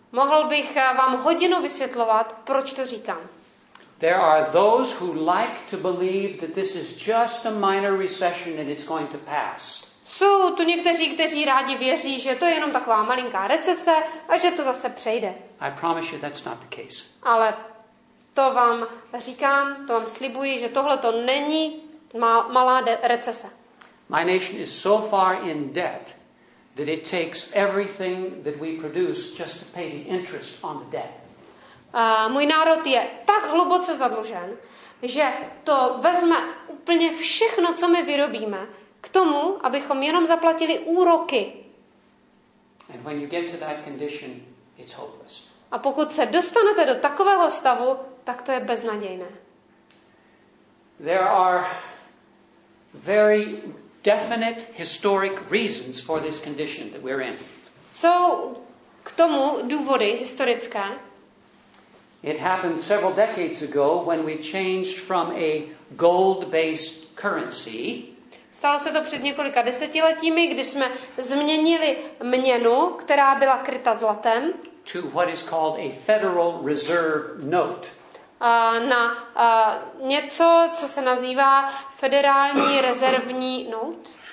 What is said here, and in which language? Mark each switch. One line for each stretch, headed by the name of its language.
Czech: Mohl bych vám hodinu vysvětlovat, proč to říkám.
English: There are those who like to believe that this is just a minor recession and it's going to pass.
Czech: Jsou tu někteří, kteří rádi věří, že to je jenom taková malinká recese a že to zase přejde.
English: I promise you that's not the case.
Czech: Ale to vám říkám, to vám slibuji, že tohle to není malá recese.
English: My nation is so far in debt that it takes everything that we produce just to pay the interest on the debt.
Czech: Můj národ je tak hluboce zadlužen, že to vezme úplně všechno, co my vyrobíme, k tomu, abychom jenom zaplatili úroky.
English: And when you get to that condition, it's hopeless.
Czech: A pokud se dostanete do takového stavu, tak to je beznadějné.
English: There are very definite historic reasons for this condition that we're in.
Czech: Jsou k tomu důvody historické.
English: It happened several decades ago when we changed from a gold-based currency.
Czech: Stalo se to před několika desetiletími, kdy jsme změnili měnu, která byla kryta zlatem,
English: to what is called a Federal Reserve note.
Czech: Na něco, co se nazývá federální rezervní note.